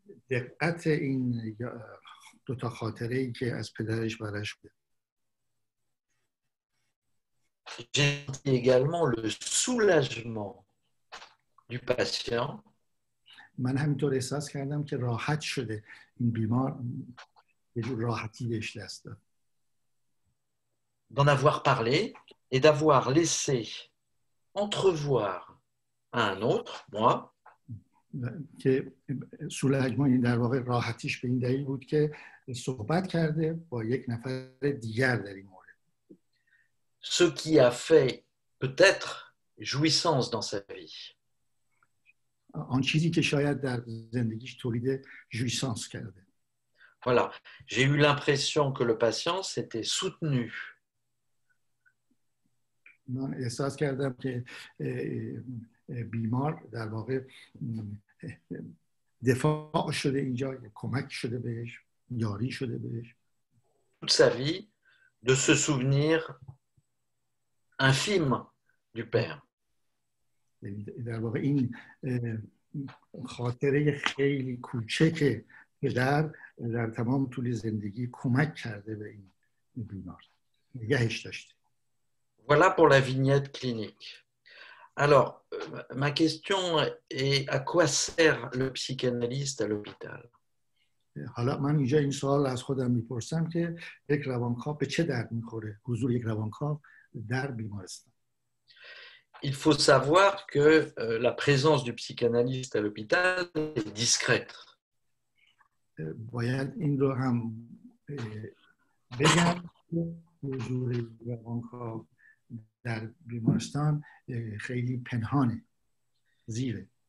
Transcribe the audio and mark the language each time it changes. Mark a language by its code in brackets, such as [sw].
[fa] دقت این دو تا خاطره ای که از پدرش برش بود. [fr] J'ai également le soulagement du patient. [fa] من همینطور احساس کردم که راحت شده این بیمار، یه جور راحتی بهش دست داد. [fr] D'en avoir parlé et d'avoir laissé entrevoir à un autre, moi. [fa] که سولجمان در واقع راحتیش به این دلیل بود که صحبت کرده با یک نفر دیگر در این مورد. [fr] Ce qui a fait peut-être jouissance dans sa vie. [fa] آن چیزی که شاید در زندگیش تولید جویسانس کرده. [fr] Voilà, j'ai eu l'impression que le patient s'était soutenu. [fa] من احساس کردم که بیمار در واقع دفاع شده اینجا، کمک شده بهش، یاری شده بهش. [fr] Toute sa vie de se souvenir infime du père. [fa] در واقع این خاطره خیلی کوچک پدر در تمام طول زندگی کمک کرده به این بیمار، نگهش داشته. [fr] Voilà pour la vignette clinique. Alors, ma question est, à quoi sert le psychanalyste à l'hôpital ? [fa] حالا من اینجا این سوال از خودم میپرسم که یک روانکاو به چه درد میخوره حضور یک روانکاو در بیمارستان [fr] Il faut savoir que la présence du psychanalyste à l'hôpital est discrète. [fa] باید این رو هم بگم حضور روانکاو در بیمارستان خیلی پنهانه زیره